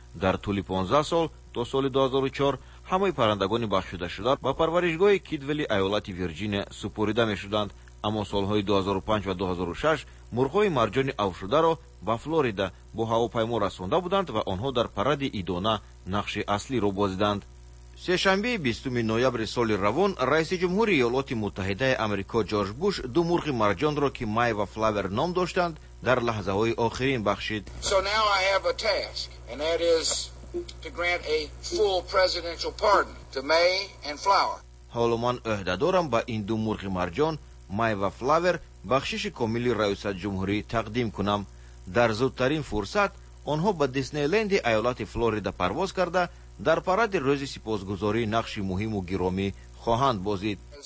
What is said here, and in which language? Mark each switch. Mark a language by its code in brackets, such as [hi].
[fa] در طول 15 سال تا سال 2004 همه پرندگان بخشیده شده با پرورشگاه کیدولی ایالت ویرجینیا سپرده می شدند، اما سالهای 2005 و 2006 مرغ‌های مرجان آوف شده را به فلوریدا با هواپیما رسانده بودند و آنها در پرد ایدونه نقش اصلی را بازیدند. سه شنبه 20 نوامبر سال روان رئیس جمهور ایالات متحده آمریکا جورج بوش دو مرغ مرجان را که مای و فلاور نام داشتند در لحظه‌های آخرین بخشید. [en] So now I have a task and that is to grant a full presidential pardon to May and Flower. [fa] حالا من عهده دارم با این دو مرغ مرجان مای و فلاور بخشش کاملی رئیس جمهوری تقدیم کنم. در زودترین فرصت آنها به دیزنی لند ایالت فلوریدا پرواز کرده در پاراد روز سپاسگزاری نقش مهم و گرامی خواهند بازید.